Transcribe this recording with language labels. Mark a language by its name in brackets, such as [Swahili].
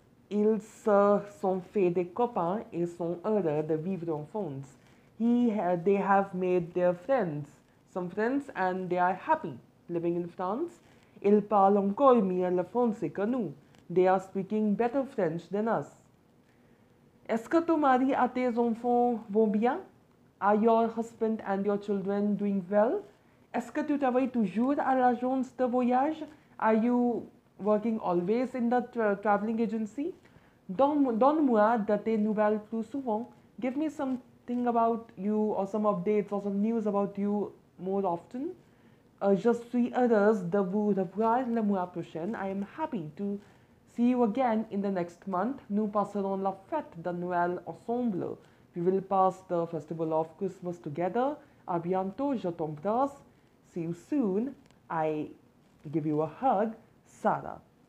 [French] Ils se sont fait des copains et sont heureux de vivre en France. [English] They have made their friends, some friends, and they are happy living in France. [French] Ils parlent encore mieux le français que nous. [English] They are speaking better French than us. [French] Est-ce que ton mari et tes enfants vont bien? [English] Are your husband and your children doing well? [French] Est-ce que tu travailles toujours à l'agence de voyage? [English] Are you working always in the traveling agency? [French] Donne-moi de tes nouvelles plus souvent. [English] Give me something about you or some updates or some news about you more often. [French] Je suis heureuse de vous revoir le mois prochain. [English] I am happy to see you again in the next month. [French] Nous passerons la fête de Noël ensemble. [English] We will pass the festival of Christmas together. [French] A bientôt, je t'embrasse. [English] See you soon. I give you a hug, Sarah.